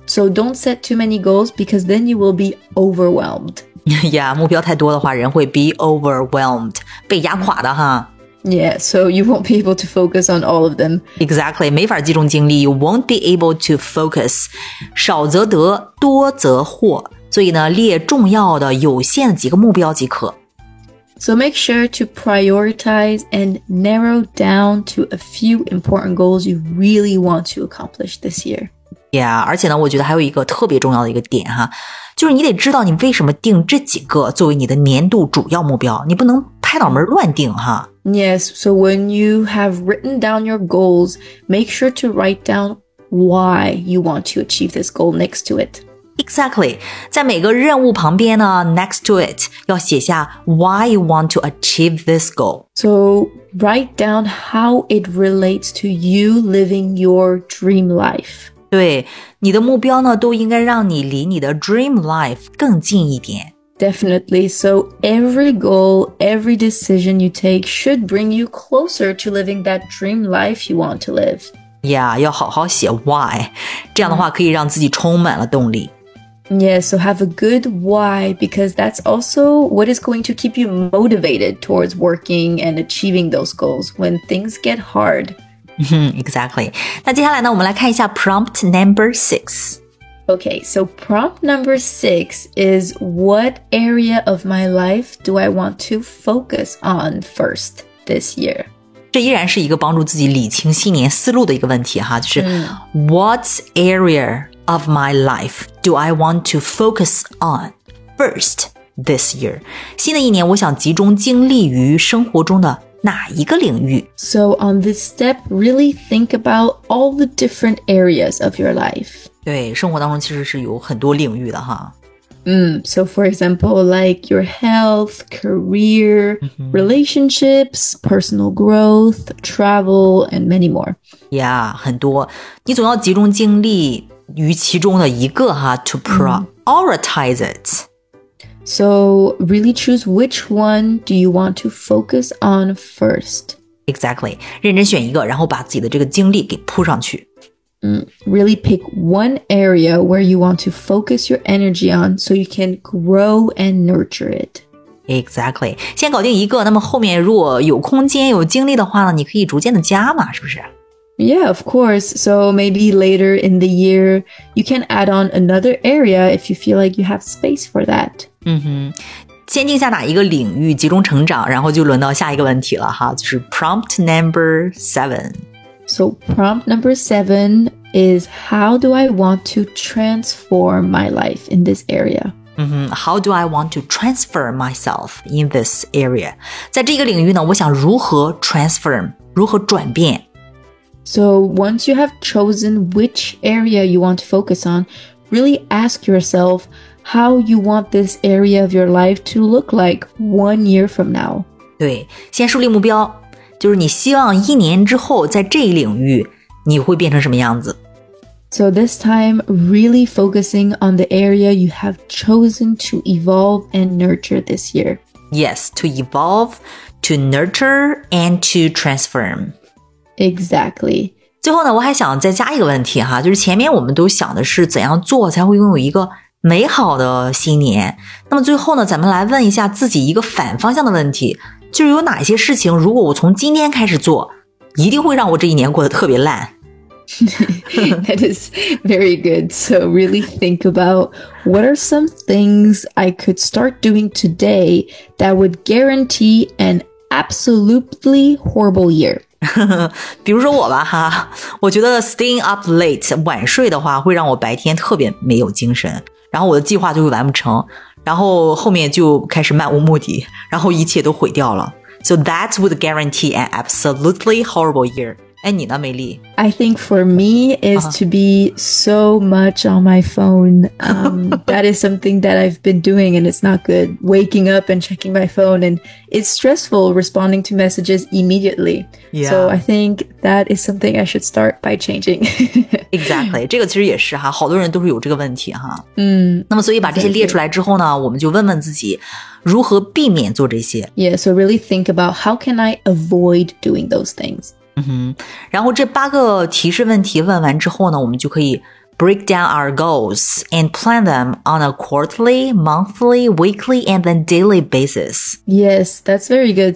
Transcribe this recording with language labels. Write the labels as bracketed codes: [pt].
[en] So don't set too many goals because then you will be overwhelmed. [zh] Yeah, 目标太多的话人会 [en] be overwhelmed, [zh] 被压垮的哈。 [en] Yeah, so you won't be able to focus on all of them. Exactly, [zh] 没法集中精力 [en] you won't be able to focus. [zh] 少则得，多则惑。所以呢，列重要的、有限的几个目标即可。 [en] So make sure to prioritize and narrow down to a few important goals you really want to accomplish this year. [zh] Yeah, 而且呢，我觉得还有一个特别重要的一个点哈，就是你得知道你为什么定这几个作为你的年度主要目标，你不能拍脑门乱定哈。 [en] Yes, so when you have written down your goals, make sure to write down why you want to achieve this goal next to it. Exactly. [zh] 在每个任务旁边呢 [en] next to it, [zh] 要写下 [en] why you want to achieve this goal. So write down how it relates to you living your dream life. [zh] 对,你的目标呢都应该让你离你的 [en] dream life [zh] 更近一点。 [en] Definitely. So every goal, every decision you take should bring you closer to living that dream life you want to live. [zh] Yeah, 要好好写 why. 这样的话可以让自己充满了动力。 [en] Yeah, so have a good why because that's also what is going to keep you motivated towards working and achieving those goals when things get hard. [zh] Exactly. 那接下来呢我们来看一下 [en] prompt number 6. Okay, so prompt number 6 is what area of my life do I want to focus on first this year? [zh] 这依然是一个帮助自己理清新年思路的一个问题哈，就是 [en] what area of my life do I want to focus on first this year? [zh] 新的一年我想集中精力于生活中的哪一个领域? [en] So on this step, really think about all the different areas of your life. [zh] 对生活当中其实是有很多领域的哈。 [en] So for example, like your health, career, relationships, personal growth, travel, and many more. [zh] Yeah, 很多。你总要集中精力于其中的一个哈 [en] to prioritize it. So really choose which one do you want to focus on first. Exactly. [zh] 认真选一个然后把自己的这个精力给铺上去。 [en] Really pick one area where you want to focus your energy on so you can grow and nurture it. Exactly. [zh] 先搞定一个那么后面如果有空间有精力的话呢你可以逐渐的加嘛是不是 [en] Yeah, of course. So maybe later in the year, you can add on another area if you feel like you have space for that. [zh] 先定下哪一个领域集中成长然后就轮到下一个问题了哈就是 [en] prompt number 7. So prompt number 7 is how do I want to transform my life in this area? How do I want to transfer myself in this area? [zh] 在这个领域呢我想如何 transform, 如何转变 [en] So once you have chosen which area you want to focus on, really ask yourself how you want this area of your life to look like 1 year from now. [zh] 对先树立目标就是你希望一年之后在这一领域你会变成什么样子 [en] So this time, really focusing on the area you have chosen to evolve and nurture this year. Yes, to evolve, to nurture, and to transform. Exactly. [zh] 最后呢，我还想再加一个问题哈，就是前面我们都想的是怎样做才会拥有一个美好的新年，那么最后呢，咱们来问一下自己一个反方向的问题，就是有哪些事情如果我从今天开始做，一定会让我这一年过得特别烂。 [en] That is very good. So really think about what are some things I could start doing today that would guarantee an absolutely horrible year. [zh] 比如说我吧哈，我觉得 [en] staying up late [zh] 晚睡的话会让我白天特别没有精神，然后我的计划就会完不成，然后后面就开始漫无目的，然后一切都毁掉了。 [en] So that would guarantee an absolutely horrible year. [zh] 哎，你呢，美丽？ [en] I think for me is to be so much on my phone. that is something that I've been doing and it's not good. Waking up and checking my phone and it's stressful responding to messages immediately. Yeah. So I think that is something I should start by changing. exactly. [zh] 这个其实也是哈，好多人都是有这个问题哈。嗯。那么所以把这些列出来之后呢，我们就问问自己如何避免做这些。 [en] Yeah, so really think about how can I avoid doing those things? 嗯、 [zh] 然后这八个提示问题问完之后呢，我们就可以 [en] break down our goals and plan them on a quarterly, monthly, weekly, and then daily basis. Yes, that's very good.